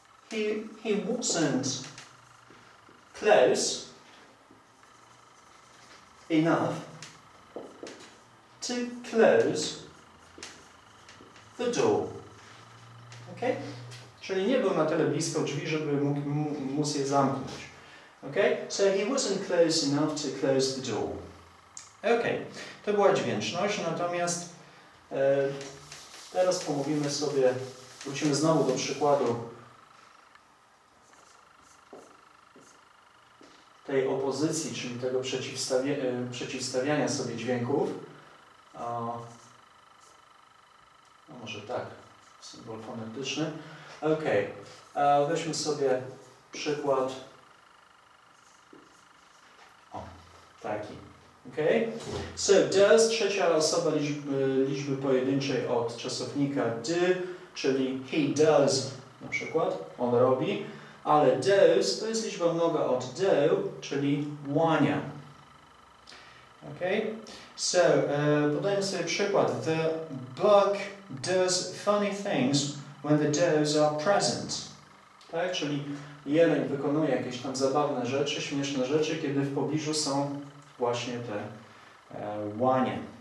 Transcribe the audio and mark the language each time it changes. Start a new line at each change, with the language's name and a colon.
English: He wasn't close enough to close the door. Ok?
Polish: Czyli nie był na tyle blisko drzwi, żeby móc je zamknąć. Ok?
English: So he wasn't close enough to close the door. Ok.
Polish: To była dźwięczność, natomiast teraz pomówimy sobie, wrócimy znowu do przykładu tej opozycji, czyli tego przeciwstawiania sobie dźwięków. No może tak, symbol fonetyczny. Ok, weźmy sobie przykład. O, taki. Ok, so does, trzecia osoba liczby pojedynczej od czasownika do, czyli
English: he does
Polish: na przykład, on robi. Ale does to jest liczba mnoga od do, czyli łania. Okay? So, podajmy sobie przykład.
English: The bug does funny things when the does are present.
Polish: Tak? Czyli jeleń wykonuje jakieś tam zabawne rzeczy, śmieszne rzeczy, kiedy w pobliżu są właśnie te łanie.